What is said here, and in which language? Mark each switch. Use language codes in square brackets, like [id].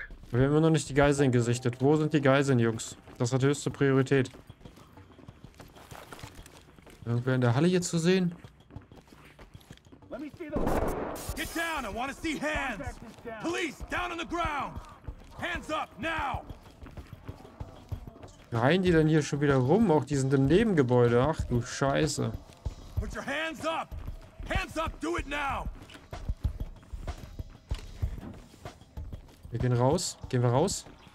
[de] Wir haben immer noch nicht die Geiseln gesichtet. Wo sind die Geiseln, Jungs? Das hat höchste Priorität. Irgendwer in der Halle hier zu sehen? [en] Get down, I want to see hands. Police, down on the ground. Hands up, now. [de] Reihen die denn hier schon wieder rum? Auch die sind im Nebengebäude. Ach du Scheiße. [en] Put your hands up. Hands up, do it now. [de] Wir gehen raus. Gehen wir raus?